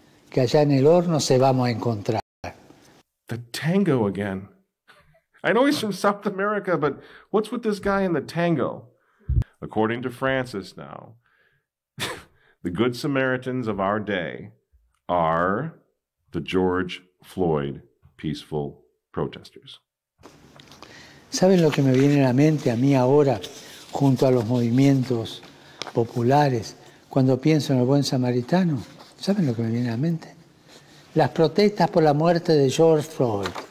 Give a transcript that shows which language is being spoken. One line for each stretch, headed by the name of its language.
Spanish: Que allá en el horno se vamos a encontrar.
English: The tango again. I know he's from South America, but what's with this guy in the tango? According to Francis now, the good Samaritans of our day are the George Floyd peaceful protesters.
Spanish: ¿Saben lo que me viene a la mente a mí ahora, junto a los movimientos populares, cuando pienso en el buen samaritano? ¿Saben lo que me viene a la mente? Las protestas por la muerte de George Floyd.